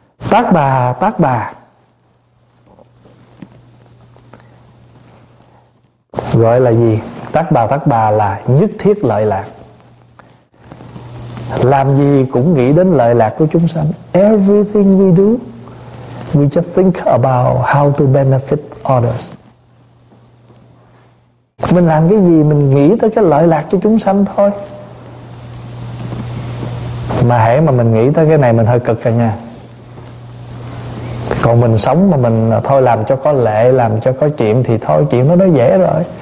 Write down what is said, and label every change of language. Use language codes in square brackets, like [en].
[vi] Tát bà, tát bà. Gọi là gì? Tát bà là nhất thiết lợi lạc. Làm gì cũng nghĩ đến lợi lạc của chúng sanh. [en] Everything we do, we just think about how to benefit others. [vi] Mình làm cái gì mình nghĩ tới cái lợi lạc cho chúng sanh thôi. Mà hễ mà mình nghĩ tới cái này mình hơi cực cả nha. Còn mình sống mà mình thôi làm cho có lệ, làm cho có chuyện thì thôi, chuyện nó dễ rồi.